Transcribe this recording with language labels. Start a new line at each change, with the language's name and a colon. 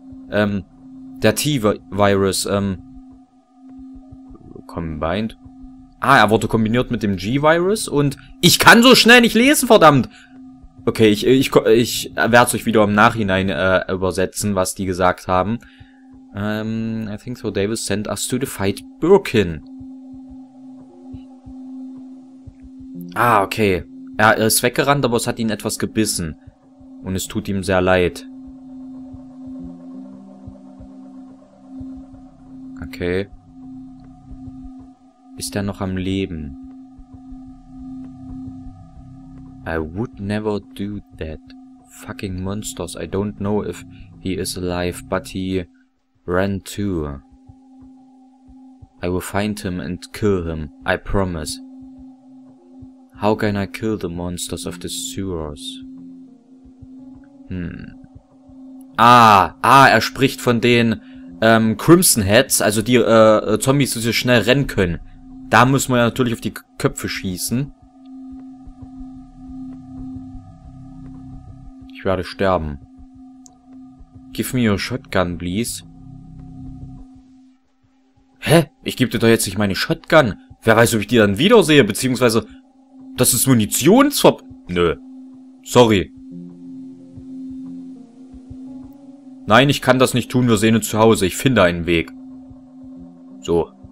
German: Der T-Virus, Combined. Ah, er wurde kombiniert mit dem G-Virus und... Ich kann so schnell nicht lesen, verdammt! Okay, ich werde es euch wieder im Nachhinein übersetzen, was die gesagt haben.
English: I think so Davis sent us to the fight Birkin.
German: Ah, okay. Er ist weggerannt, aber es hat ihn etwas gebissen. Und es tut ihm sehr leid. Okay. Ist er noch am Leben?
English: I would never do that. Fucking monsters. I don't know if he is alive, but he ran too. I will find him and kill him. I promise. How can I kill the monsters of the sewers?
German: Er spricht von den Crimson Heads, also die Zombies, die so schnell rennen können. Da muss man ja natürlich auf die Köpfe schießen. Ich werde sterben.
English: Give me your shotgun, please.
German: Hä? Ich gebe dir doch jetzt nicht meine Shotgun. Wer weiß, ob ich die dann wiedersehe, beziehungsweise. Das ist Munitionsver. Nö. Sorry. Nein, ich kann das nicht tun. Wir sehen uns zu Hause. Ich finde einen Weg. So.